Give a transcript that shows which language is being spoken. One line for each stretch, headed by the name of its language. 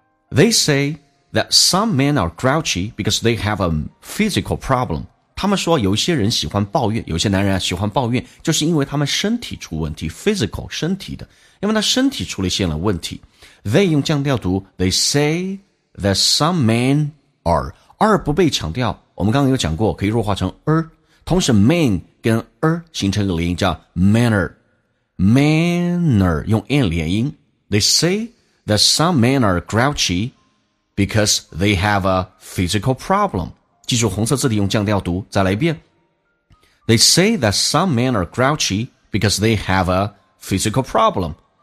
English: They say that some men are grouchy because they have a physical problem.
Chinese: 他们说有些人喜欢抱怨，有些男人喜欢抱怨，就是因为他们身体出问题， physical 身体的，因为他身体出了一些问题。 They 用降调读，
English: they say that some men are，
Chinese: 而不被强调，我们刚刚有讲过可以弱化成 er， 同时 man 跟 er 形成一个连音叫 manner 用 n 连音。
English: They say that some men are grouchy because they have a physical problem.
Chinese: 记住红色字体用降调读，再来一遍。
English: They say that some men are grouchy because they have a physical problem.